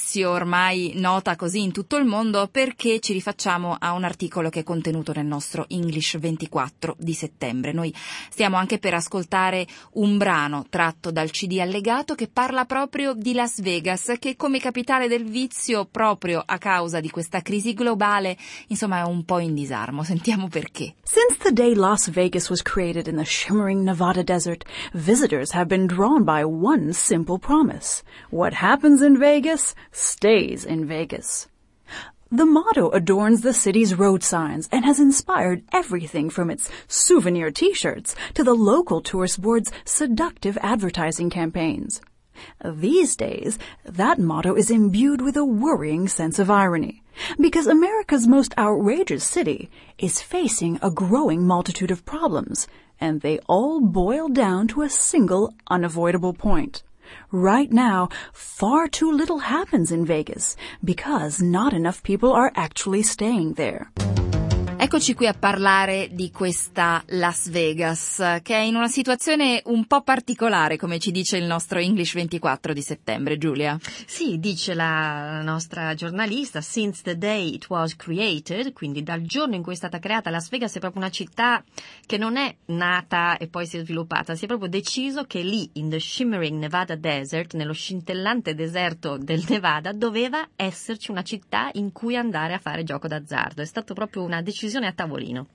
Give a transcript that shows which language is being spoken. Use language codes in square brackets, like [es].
[it] notizia ormai nota così in tutto il mondo, perché ci rifacciamo a un articolo che è contenuto nel nostro English 24 di settembre. Noi stiamo anche per ascoltare un brano tratto dal CD allegato che parla proprio di Las Vegas, che come capitale del vizio, proprio a causa di questa crisi globale, insomma, è un po' in disarmo. Sentiamo perché. [en] Since the day Las Vegas was created in the shimmering Nevada desert, visitors have been drawn by one simple promise. What happens in Vegas stays in Vegas. The motto adorns the city's road signs and has inspired everything from its souvenir t-shirts to the local tourist board's seductive advertising campaigns. These days, that motto is imbued with a worrying sense of irony, because America's most outrageous city is facing a growing multitude of problems, and they all boil down to a single unavoidable point. Right now, far too little happens in Vegas because not enough people are actually staying there. [it] Eccoci qui a parlare di questa Las Vegas, che è in una situazione un po' particolare, come ci dice il nostro English 24 di settembre, Giulia. Sì, dice la nostra giornalista, [en] since the day it was created, [it] quindi dal giorno in cui è stata creata, Las Vegas è proprio una città che non è nata e poi si è sviluppata, si è proprio deciso che lì, [en] in the shimmering Nevada desert, [it] nello scintillante deserto del Nevada, doveva esserci una città in cui andare a fare gioco d'azzardo. È stato proprio una decisione a tavolino.